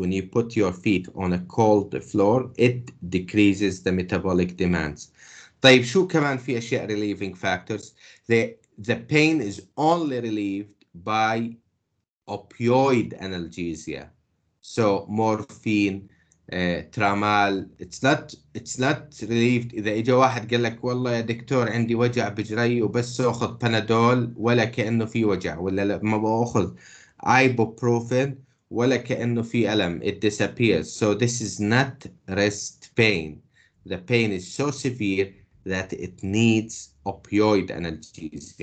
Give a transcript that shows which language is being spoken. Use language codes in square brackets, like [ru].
[en] When you put your feet on a cold floor, it decreases the metabolic demands. [ar] طيب شو كمان في أشياء [en] relieving factors? The pain is only relieved by opioid analgesia. So morphine, tramal. It's not relieved. [ar] إذا إجا واحد قال لك والله يا دكتور عندي وجع بجري وبس أخذ بانادول ولا كأنه في وجع ولا لا ما بأخذ ibuprofen ولا كأنه في ألم [en] it disappears. So this is not rest pain. The pain is so severe that it needs opioid analgesia.